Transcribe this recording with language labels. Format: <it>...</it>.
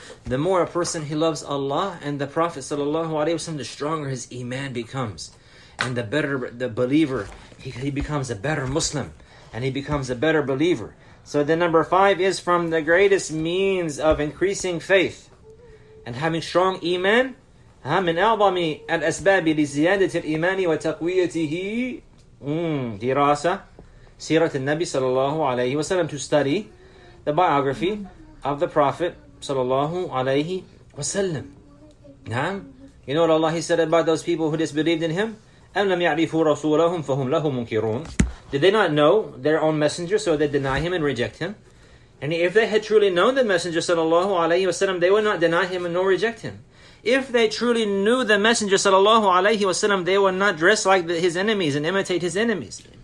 <en>The more a person he loves Allah and the Prophet sallallahu alaihi wasallam, the stronger his iman becomes. And the better the believer, he becomes a better Muslim. And he becomes a better believer. So the number five is from the greatest means of increasing faith and having strong iman.</en> <ar>من أعظم الأسباب لزيادة الإيمان وتقويته دراسة سيرة النبي صلى الله عليه وسلم.</ar> <en>To study the biography of the Prophet صلى الله عليه وسلم.</en> <ar>نعم.</ar> <en>You know what Allah He said about those people who disbelieved in Him?</en> <ar>أم لم يعرفوا رسولهم فهم له منكرون.</ar> <en>Did they not know their own messenger, so they deny Him and reject Him? And if they had truly known the messenger صلى الله عليه وسلم, they would not deny Him and nor reject Him. If they truly knew the Messenger sallallahu alaihi wasallam, they would not dress like his enemies and imitate his enemies.</en>